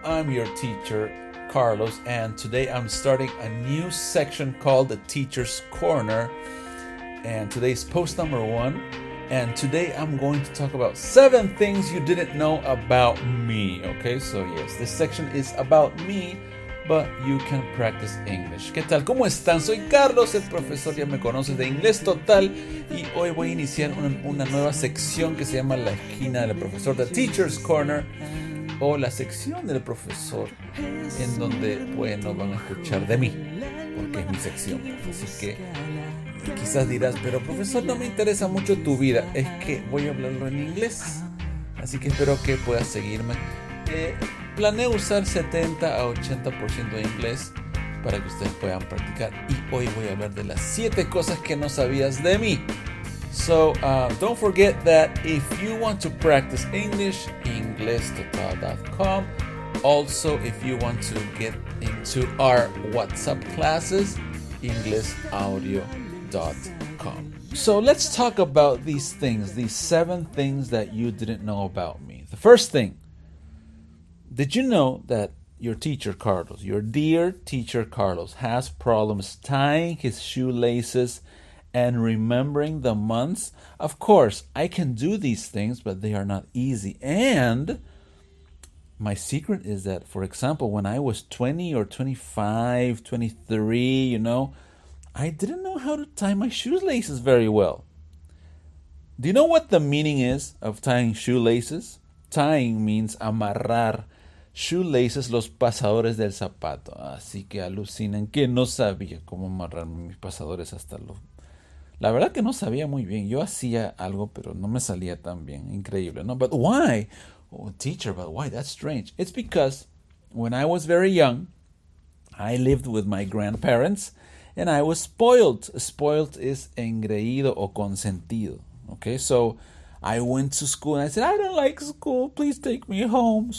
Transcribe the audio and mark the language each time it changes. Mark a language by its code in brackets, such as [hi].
[en] I'm your teacher, Carlos, and today I'm starting a new section called the Teacher's Corner. And today's post number one. And today I'm going to talk about seven things you didn't know about me. Okay, so yes, this section is about me, but you can practice English. [es] ¿Qué tal? ¿Cómo están? Soy Carlos, el profesor, ya me conoces, de Inglés Total. Y hoy voy a iniciar una nueva sección que se llama La Esquina del Profesor, The Teacher's Corner, o La Sección del Profesor, en donde, bueno, van a escuchar de mí, porque es mi sección. Así que quizás dirás, pero profesor, no me interesa mucho tu vida. Es que voy a hablarlo en inglés. Así que espero que puedas seguirme. Planeé usar 70 a 80% de inglés para que ustedes puedan practicar. Y hoy voy a hablar de las 7 cosas que no sabías de mí. [en] So, don't forget that if you want to practice English, inglestotal.com. Also, if you want to get into our WhatsApp classes, inglesaudio.com. So, let's talk about these things, these 7 things that you didn't know about me. The first thing. Did you know that your teacher, Carlos, your dear teacher, Carlos, has problems tying his shoelaces and remembering the months? Of course, I can do these things, but they are not easy. And my secret is that, for example, when I was 20 or 25, 23, you know, I didn't know how to tie my shoelaces very well. Do you know what the meaning is of tying shoelaces? Tying means amarrar. Shoelaces, [es] los pasadores del zapato. Así que alucinan que no sabía cómo amarrar mis pasadores hasta los... La verdad que no sabía muy bien. Yo hacía algo, pero no me salía tan bien. Increíble, ¿no? [en] But why? Oh, teacher, but why? That's strange. It's because when I was very young, I lived with my grandparents and I was spoiled. Spoiled is [es] engreído o consentido. [en] Okay, so I went to school and I said, I don't like school, please take me home.